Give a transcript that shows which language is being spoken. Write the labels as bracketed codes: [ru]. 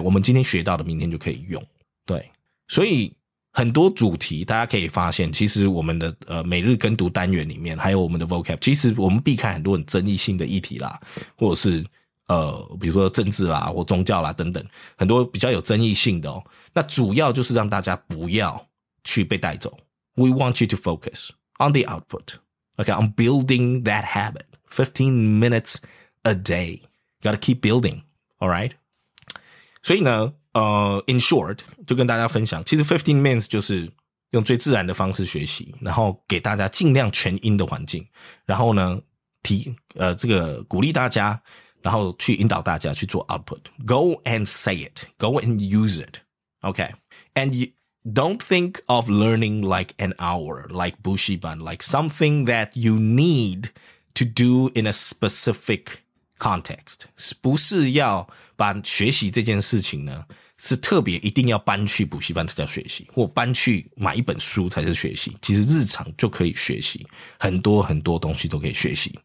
[zh] 我们今天学到的明天就可以用。对。所以很多主题大家可以发现，其实我们的每日跟读单元里面还有我们的 vocab, 其实我们避开很多很争议性的议题啦，或者是比如说政治啦或宗教啦等等，很多比较有争议性的哦。那主要就是让大家不要去被带走。 [en] We want you to focus on the output. Okay, on building that habit. 15 minutes. A day. Gotta keep building. Alright. [zh] 所以呢 [en] in short, [zh] 就跟大家分享，其实 [en] 15 minutes [zh] 就是用最自然的方式学习，然后给大家尽量全音的环境，然后呢这个鼓励大家，然后去引导大家去做 output. [en] Go and say it. Go and use it. Okay. And you don't think of learning like an hour, like Bushiban, like something that you need to do in a specific context. [zh] 不是要把学习这件事情呢，是特别一定要搬去补习班才叫学习，或搬去买一本书才是学习。其实日常就可以学习，很多很多东西都可以学习。